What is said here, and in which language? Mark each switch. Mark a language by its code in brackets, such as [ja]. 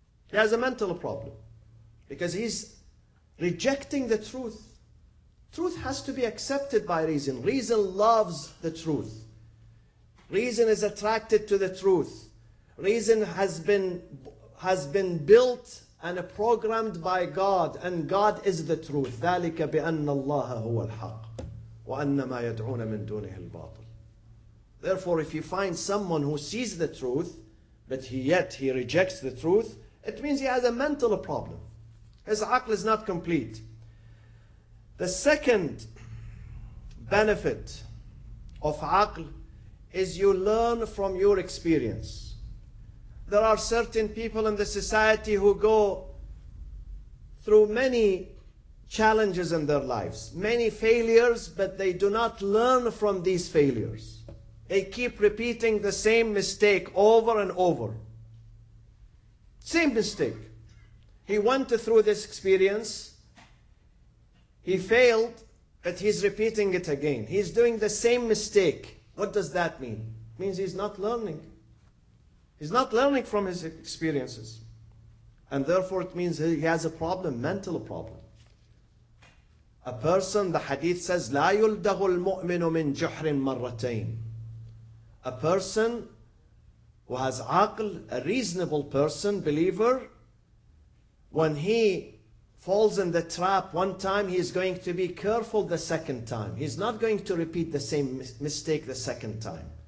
[en] He has a mental problem. Because he's rejecting the truth. Truth has to be accepted by reason. Reason loves the truth. Reason is attracted to the truth. Reason has been built and programmed by God, and God is the truth. [ar] ذلك بأن الله هو الحق وأن ما يدعون من دونه الباطل. [en] Therefore, if you find someone who sees the truth, but yet he rejects the truth, it means he has a mental problem. His aql is not complete. The second benefit of aql is you learn from your experience. There are certain people in the society who go through many challenges in their lives, many failures, but they do not learn from these failures. They keep repeating the same mistake over and over. Same mistake. He went through this experience. He failed, but he's repeating it again. He's doing the same mistake. What does that mean? It means he's not learning. He's not learning from his experiences. And therefore it means he has a problem, mental problem. A person, the hadith says, [ar] لا يلدغ المؤمن من جحر مرتين. [en] A person who has aql, a reasonable person, believer, when he falls in the trap one time, he is going to be careful the second time. He's not going to repeat the same mistake the second time.